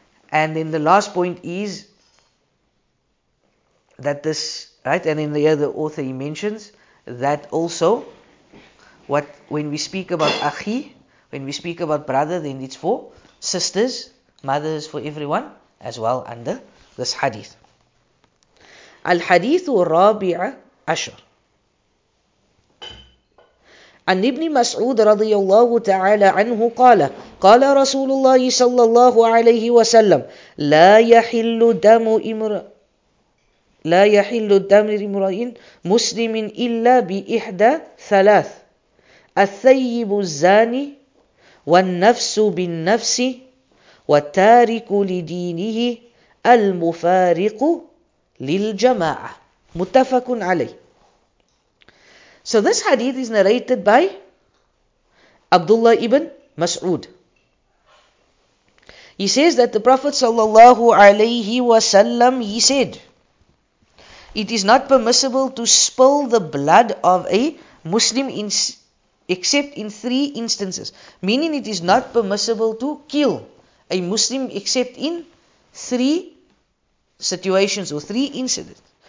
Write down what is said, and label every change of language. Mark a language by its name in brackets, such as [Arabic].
[English] And then the last point is that this, right, and then the other author he mentions that also what when we speak about akhi, when we speak about brother, then it's for sisters, mothers, for everyone as well under this hadith. [Arabic] الحديث الرابع عشر عن ابن مسعود رضي الله تعالى عنه قال قال رسول الله صلى الله عليه وسلم لا يحل دم امرئ مسلم إلا بإحدى ثلاث الثيب الزاني والنفس بالنفس والتارك لدينه المفارق لِلْجَمَاعَةِ مُتَّفَكٌ عَلَيْهِ. [English] So this hadith is narrated by Abdullah ibn Mas'ud. He says that the Prophet sallallahu alayhi wasallam, he said, it is not permissible to spill the blood of a Muslim except in three instances. Meaning it is not permissible to kill a Muslim except in three situations or three incidents.